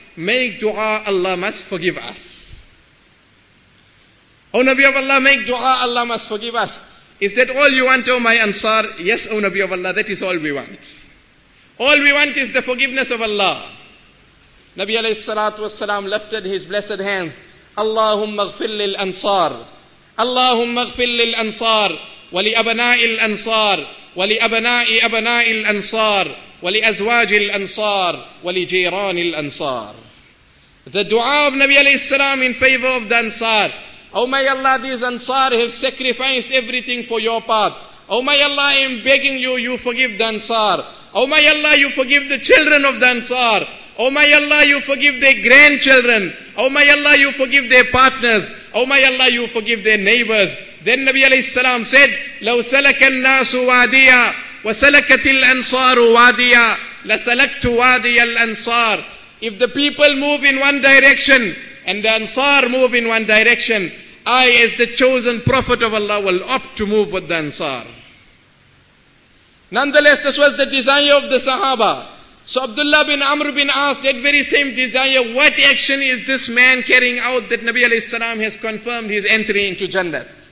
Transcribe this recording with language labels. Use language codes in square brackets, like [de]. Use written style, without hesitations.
[en] Make dua, Allah must forgive us. O Nabi of Allah, make dua, Allah must forgive us. Is that all you want, O my Ansar? Yes, O Nabi of Allah, that is all we want. All we want is the forgiveness of Allah. Nabi alayhi salatu wasalam lifted his blessed hands. [ar] اللهم اغفر للأنصار، اللهم اغفر للأنصار ولأبناء الأنصار ولأبناء أبناء الأنصار ولأزواج الأنصار ولجيران الأنصار. [en] The dua of Nabi alayhi salam in favor of the Ansar. Oh may Allah, these Ansar have sacrificed everything for your path. Oh may Allah, I am begging you, you forgive the Ansar. Oh may Allah, you forgive the children of the Ansar. Oh may Allah, you forgive their grandchildren. Oh may Allah, you forgive their partners. Oh may Allah, you forgive their neighbors. Then Nabi alayhi salam said, [ar] لو سلك الناس واديا وسلكت الأنصار واديا لسلكت وادي الأنصار. [en] If the people move in one direction and the Ansar move in one direction, I as the chosen prophet of Allah will opt to move with the Ansar. Nonetheless, this was the desire of the Sahaba. So Abdullah bin Amr bin Aas, that very same desire, what action is this man carrying out that Nabi alayhi salam has confirmed his entry into Jannah?